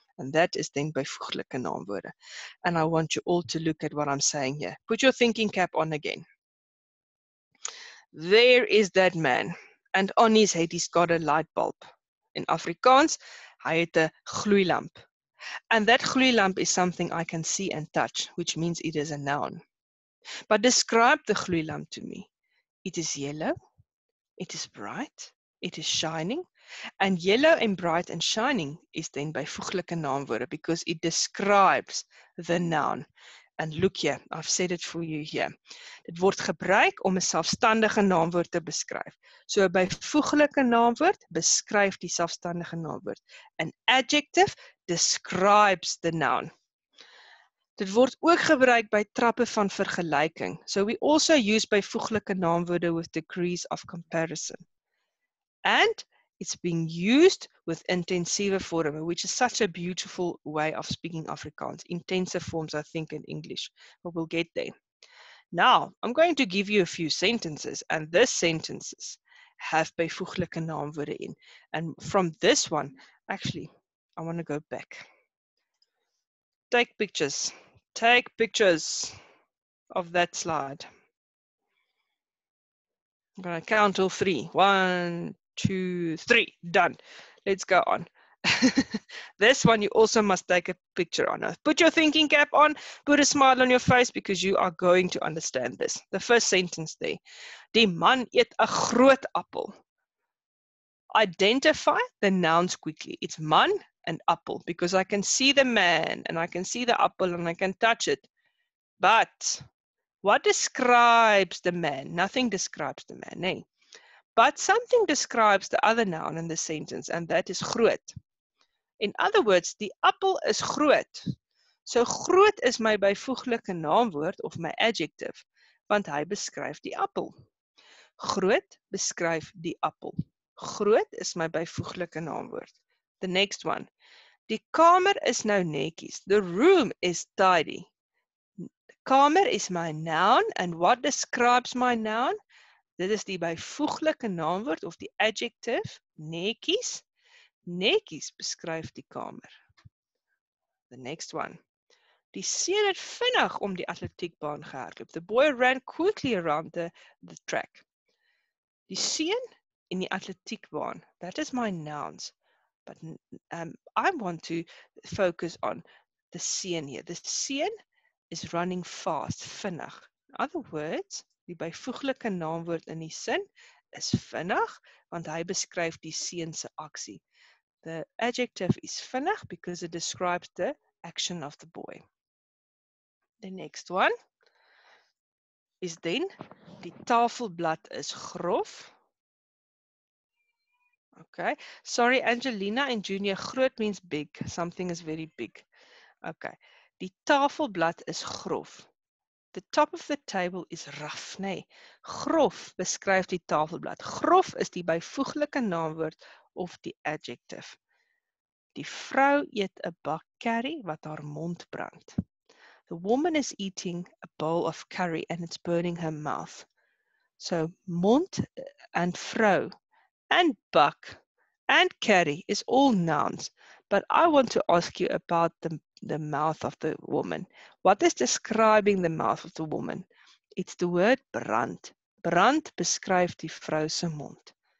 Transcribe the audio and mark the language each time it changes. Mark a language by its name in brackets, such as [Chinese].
[English] And that is then bijvoeglijke naamwoorden. And I want you all to look at what I'm saying here. Put your thinking cap on again. There is that man. And on his head he's got a light bulb. [Afrikaans] In Afrikaans, hy het 'n gloeilamp. [English] And that gloeilamp is something I can see and touch, which means it is a noun. But describe the gloeilamp to me. It is yellow. It is bright. It is shining. And yellow and bright and shining is then bijvoeglijke naamwoorden because it describes the noun. And look here, I've said it for you here. [Afrikaans] Dit word gebruik om 'n selfstandige naamwoord te beskryf. So bijvoeglijke naamwoord beskryf die selfstandige naamwoord. [English] An adjective describes the noun. [Afrikaans] Dit word ook gebruik by trappe van vergelyking. [English] So we also use bijvoeglijke naamwoorde with degrees of comparison. And it's being used with intensive form, which is such a beautiful way of speaking Afrikaans. Intensive forms, I think, in English. But we'll get there. Now, I'm going to give you a few sentences. And these sentences have bijvoeglijke naamwoorden in. And from this one, actually, I want to go back. Take pictures. Take pictures of that slide. I'm going to count all three. One, two, three, done. Let's go on. This one you also must take a picture on. Put your thinking cap on, put a smile on your face because you are going to understand this. The first sentence there. [Afrikaans] Die man eet 'n groot appel. [English] Identify the nouns quickly. It's man and apple because I can see the man and I can see the apple and I can touch it. But what describes the man? Nothing describes the man, eh? But something describes the other noun in the sentence, and that is groot. In other words, [Afrikaans] die appel is groot. So groot is my bijvoeglijke naamwoord of my adjective, want hy beskryf die appel. Groot beskryf die appel. Groot is my bijvoeglijke naamwoord. [English] The next one. [Afrikaans] Die kamer is nou netjies. [English] The room is tidy. Kamer is my noun, and what describes my noun? [Afrikaans] Dit is die bijvoeglijke naamwoord of die adjective, netjies. Netjies beskryf die kamer. [English] The next one. [Afrikaans] Die seun het vinnig om die atletiekbaan gehardloop. [English] The boy ran quickly around the track. [Afrikaans] Die seun in die atletiekbaan. [English] That is my nouns. But I want to focus on the seun here. The seun is running fast, vinnig. In other words, [Afrikaans] die bijvoeglijke naamwoord in die sin is vinnig, want hy beskryf die seun se aksie. [English] The adjective is vinnig because it describes the action of the boy. The next one is then, [Afrikaans] die tafelblad is grof. [English] Okay, sorry Angelina and Junior, groot means big, something is very big. [Afrikaans] Okay, die tafelblad is grof. [English] The top of the table is rough, nee. [Afrikaans] Grof beskryf die tafelblad. Grof is die bijvoeglijke naamwoord of die adjective. Die vrou eet 'n bak curry wat haar mond brand. [English] The woman is eating a bowl of curry and it's burning her mouth. So mond and vrou and bak and curry is all nouns. But I want to ask you about the mouth of the woman. What is describing the mouth of the woman? It's the word brand. [Afrikaans] Brand beskryf die vrou se mond.